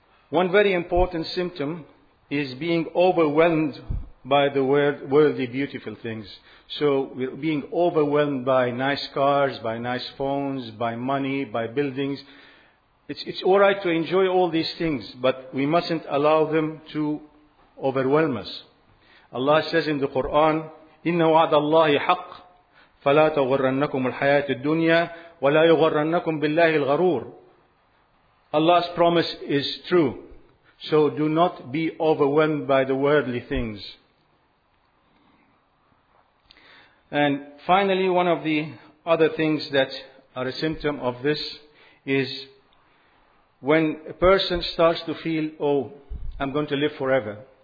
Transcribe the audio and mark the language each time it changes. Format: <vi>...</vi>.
<en>One very important symptom is being overwhelmed by the worldly beautiful things. So we're being overwhelmed by nice cars, by nice phones, by money, by buildings. It's all right to enjoy all these things, but we mustn't allow them to overwhelm us. Allah says in the Quran,</en> <ar>إِنَّ وَعْدَ اللَّهِ حَقٌّ فَلَا تَغُرَّنَّكُمُ الْحَيَاةِ الدُّنْيَا وَلَا يُغَرَّنَّكُمْ بِاللَّهِ الْغَرُورِ.</ar> <en>Allah's promise is true. So do not be overwhelmed by the worldly things. And finally, one of the other things that are a symptom of this is when a person starts to feel, oh, I'm going to live forever.</en>